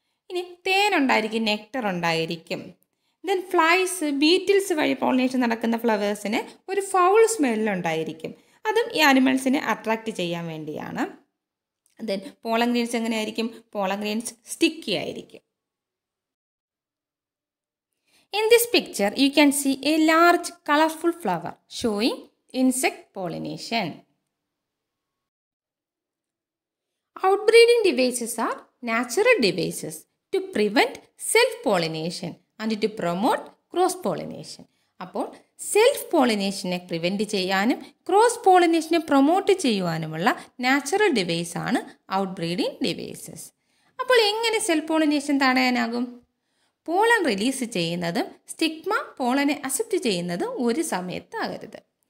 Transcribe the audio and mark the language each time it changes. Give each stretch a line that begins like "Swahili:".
Malayalam: ഇനി തേനുണ്ടായിരിക്കും, നെക്ടർ ഉണ്ടായിരിക്കും. Then flies Beatles വഴി പോളിനേഷൻ നടക്കുന്ന ഫ്ലവേഴ്സിന് ഒരു ഫൗൾ സ്മെല്ലുണ്ടായിരിക്കും, അതും ഈ അനിമൽസിനെ അട്രാക്റ്റ് ചെയ്യാൻ വേണ്ടിയാണ്. ദെൻ പോളൻ ഗ്രെയിൻസ് എങ്ങനെയായിരിക്കും, പോളൻ ഗ്രെയിൻസ് സ്റ്റിക്കി ആയിരിക്കും.
English: In this picture, you can see a large colorful flower showing insect pollination. Outbreeding devices are natural devices to prevent self-pollination and to promote cross-pollination.
Malayalam: അപ്പോൾ self പോളിനേഷനെ prevent ചെയ്യാനും cross പോളിനേഷനെ promote ചെയ്യുവാനുമുള്ള natural device ആണ് ഔട്ട്ബ്രീഡിംഗ് devices. അപ്പോൾ എങ്ങനെ self pollination തടയാനാകും? Pollen release ചെയ്യുന്നതും stigma പോളനെ accept ചെയ്യുന്നതും ഒരു സമയത്താകരുത്.